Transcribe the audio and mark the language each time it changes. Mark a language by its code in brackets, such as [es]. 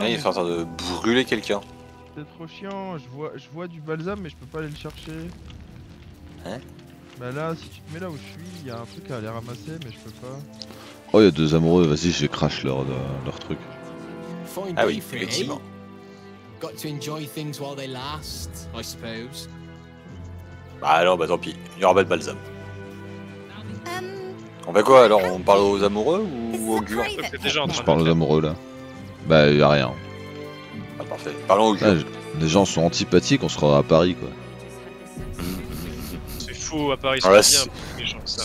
[fr] Ah, il est en train de brûler quelqu'un. C'est trop chiant, je vois du balsam mais je peux pas aller le chercher. Hein? Bah là, si tu te mets là où je suis, y'a un truc à aller ramasser mais je peux pas. Oh y'a deux amoureux, vas-y je crache leur truc. Ah oui, effectivement. [en] Got to enjoy things while they last, I suppose. [fr] Bah non, bah tant pis, y'aura pas de balsam. On fait quoi alors, on parle aux amoureux ou aux gurs? Je parle aux amoureux là. Bah y'a rien. Parfait. Parlons au jeu. Ah, les gens sont antipathiques, on se rendra à Paris quoi. C'est faux, à Paris c'est bien pour les gens que ça.